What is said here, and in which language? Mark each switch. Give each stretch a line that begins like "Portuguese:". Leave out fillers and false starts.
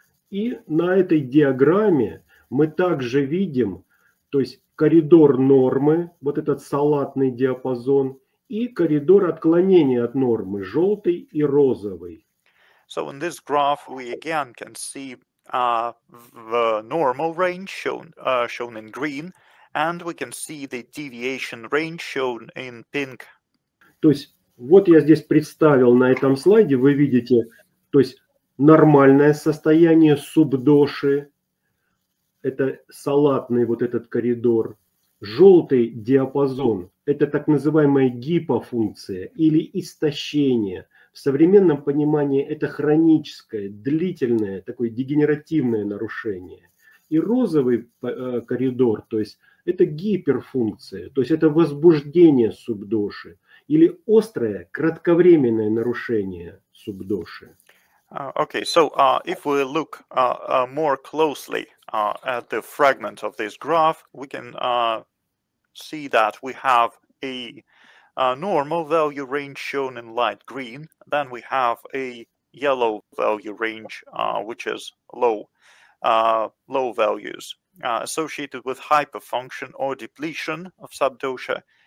Russian: И на этой диаграмме мы также видим, то есть коридор нормы, вот этот салатный диапазон, и коридор отклонения от нормы, желтый и розовый.
English: So in this graph we again can see the normal range shown in green, and we can see the deviation range shown in pink.
Russian: То есть вот я здесь представил на этом слайде, вы видите, то есть нормальное состояние субдоши, это салатный вот этот коридор, желтый диапазон. Это так называемая гипофункция или истощение. В современном понимании это хроническое, длительное, такое дегенеративное нарушение. И розовый коридор, то есть это гиперфункция, то есть это возбуждение субдоши или острое кратковременное нарушение субдоши.
English: Okay, so if we look more closely at the fragment of this graph, we can see that we have a normal value range shown in light green, then we have a yellow value range, which is low values associated with hyperfunction or depletion of subdosha.